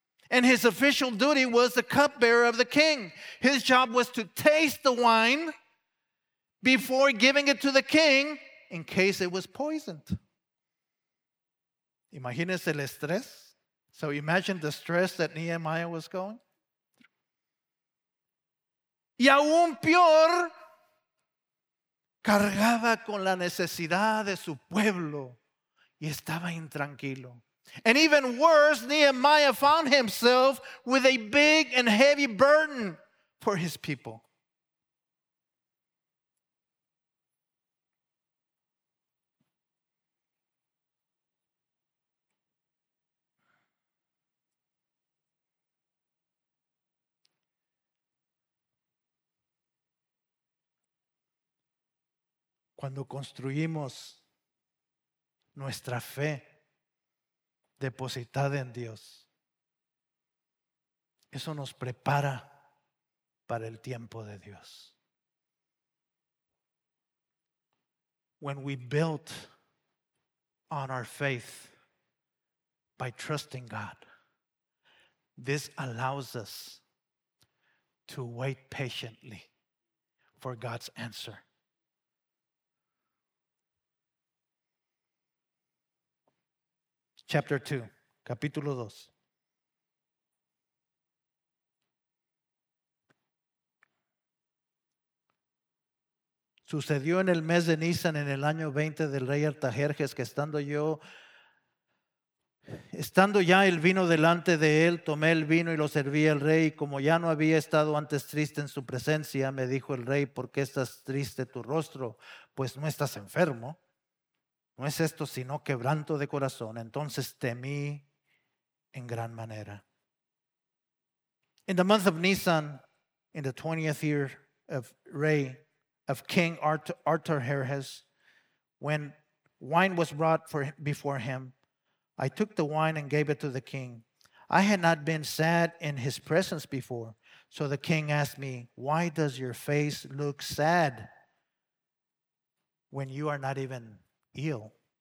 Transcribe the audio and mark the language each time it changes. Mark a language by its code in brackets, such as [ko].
[en] And his official duty was the cupbearer of the king. His job was to taste the wine before giving it to the king in case it was poisoned. [es] Imagínense el estrés. [en] So imagine the stress that Nehemiah was going. [es] Y aún peor, cargaba con la necesidad de su pueblo y estaba intranquilo. [en] And even worse, Nehemiah found himself with a big and heavy burden for his people. [es] Cuando construimos nuestra fe depositada en Dios, eso nos prepara para el tiempo de Dios. [en] When we build on our faith by trusting God, this allows us to wait patiently for God's answer. Chapter 2, [es] capítulo 2. Sucedió en el mes de Nisan, en el año 20 del rey Artajerjes, que estando ya el vino delante de él, tomé el vino y lo serví al rey. Como ya no había estado antes triste en su presencia, me dijo el rey: ¿por qué estás triste tu rostro? Pues no estás enfermo. No es esto sino quebranto de corazón. Entonces temí en gran manera. [en] In the month of Nisan, in the 20th year of Rey, of King Artaxerxes, when wine was brought before him, I took the wine and gave it to the king. I had not been sad in his presence before. So the king asked me, "Why does your face look sad when you are not even ill?